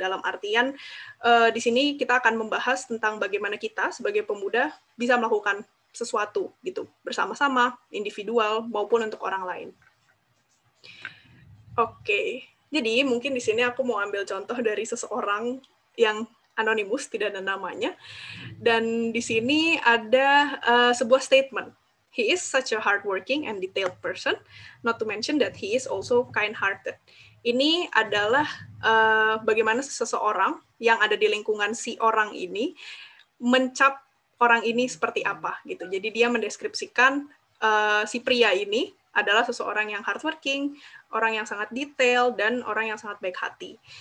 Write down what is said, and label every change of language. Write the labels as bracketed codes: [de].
[id] Dalam artian, di sini kita akan membahas tentang bagaimana kita sebagai pemuda bisa melakukan sesuatu gitu bersama-sama, individual, maupun untuk orang lain. Jadi mungkin di sini aku mau ambil contoh dari seseorang yang anonimus, tidak ada namanya. Dan di sini ada sebuah statement. [en] He is such a hardworking and detailed person, not to mention that he is also kind-hearted. [id] Ini adalah bagaimana seseorang yang ada di lingkungan si orang ini mencap orang ini seperti apa gitu. Jadi dia mendeskripsikan si pria ini adalah seseorang yang hardworking, orang yang sangat detail, dan orang yang sangat baik hati.